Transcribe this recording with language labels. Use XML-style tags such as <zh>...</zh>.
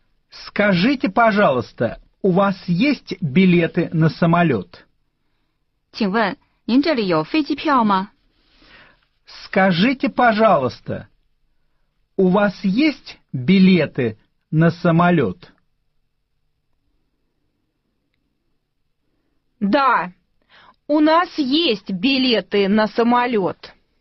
<ru>Скажите, пожалуйста, у вас есть билеты на самолет?</ru> <zh>请问您这里有飞机票吗?</zh> <ru>Скажите, пожалуйста, у вас есть билеты на самолет? Да, у нас есть билеты на самолет.</ru>